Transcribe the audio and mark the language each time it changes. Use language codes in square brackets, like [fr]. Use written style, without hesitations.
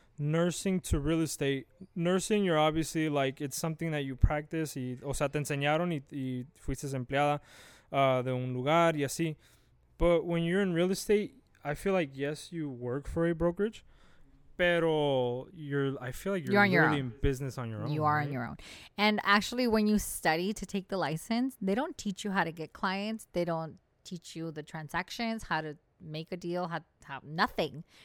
[en] nursing to real estate. Nursing, you're obviously like, it's something that you practice. [es] Y, o sea, te enseñaron y fuiste empleada de un lugar y así. [en] But when you're in real estate, I feel like, yes, you work for a brokerage, pero you're literally in business on your own. You are on your own. And actually, when you study to take the license, they don't teach you how to get clients. They don't teach you the transactions, how to make a deal, how nothing.